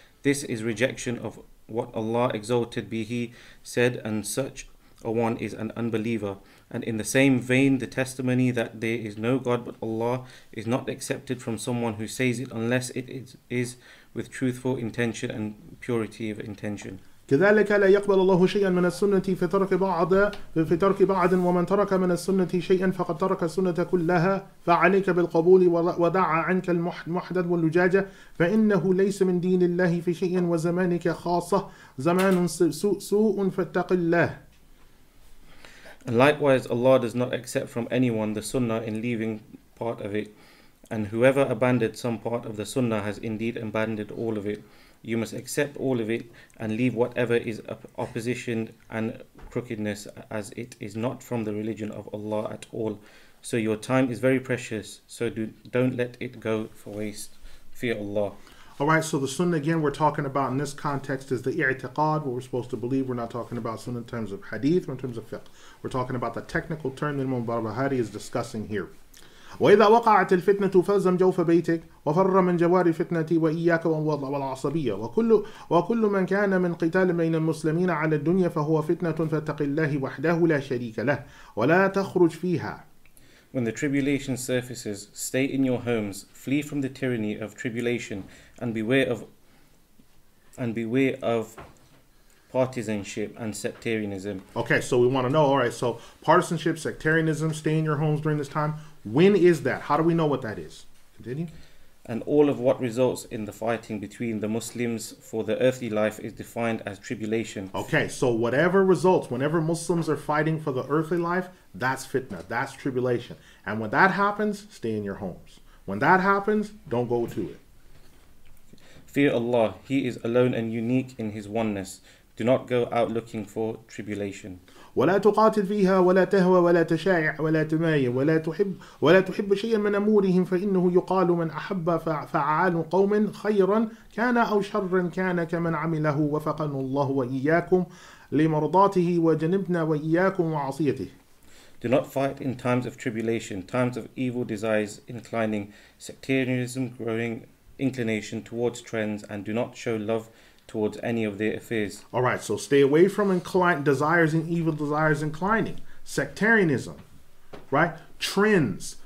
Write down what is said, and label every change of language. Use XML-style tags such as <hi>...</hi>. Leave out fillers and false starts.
<en>This is rejection of what Allah, exalted be He, said, and such a one is an unbeliever. And in the same vein, the testimony that there is no God but Allah is not accepted from someone who says it unless it is with truthful intention and purity of intention.</en> <ar>كذلك لا يقبل الله شيئا من السنة في ترك بعض ومن ترك من السنة شيئا فقد ترك السنة كلها فعليك بالقبول ودع عنك المحدد واللجاجة فإنه ليس من دين الله في شيء وزمانك خاصة زمان سوء فاتق الله.</ar> <en>And likewise, Allah does not accept from anyone the Sunnah in leaving part of it, and whoever abandoned some part of the Sunnah has indeed abandoned all of it. You must accept all of it and leave whatever is opposition and crookedness, as it is not from the religion of Allah at all. So your time is very precious, so don't let it go for waste. Fear Allah. All right, so the sunnah again we're talking about in this context is the i'tiqad, what we're supposed to believe. We're not talking about sunnah in terms of hadith or in terms of fiqh. We're talking about the technical term that Imam Barbahari is discussing here.</en> <ar>وإذا وقعت الفتنة فالزم جوف بيتك وفر من جوار الفتنة وإياك والعصبية وكل من كان من قتال بين المسلمين على الدنيا فهو فتنة فاتق الله وحده لا شريك له ولا تخرج فيها.</ar> <en>When the tribulation surfaces, stay in your homes, flee from the tyranny of tribulation, and beware of partisanship and sectarianism. Okay, so we want to know. All right, so partisanship, sectarianism, stay in your homes during this time. When is that? How do we know what that is? Continue. And all of what results in the fighting between the Muslims for the earthly life is defined as tribulation. Okay, so whatever results, whenever Muslims are fighting for the earthly life, that's fitna, that's tribulation. And when that happens, stay in your homes. When that happens, don't go to it. Fear Allah. He is alone and unique in His oneness. Do not go out looking for tribulation.</en> <ar>ولا تقاتل فيها ولا تهوى ولا تشاع ولا تمايل ولا تحب شيئا من أمورهم فإنه يقال من أحب فعال قوم خيرا كان أو شرا كان كمن عمله وفقنا الله وإياكم لمرضاته وجنبنا وإياكم وعصيته.</ar> <en>Do not fight in times of tribulation, times of evil desires inclining, sectarianism growing, inclination towards trends, and do not show love towards any of their affairs. All right, so stay away from desires and evil desires inclining, sectarianism, right? Trends.</en>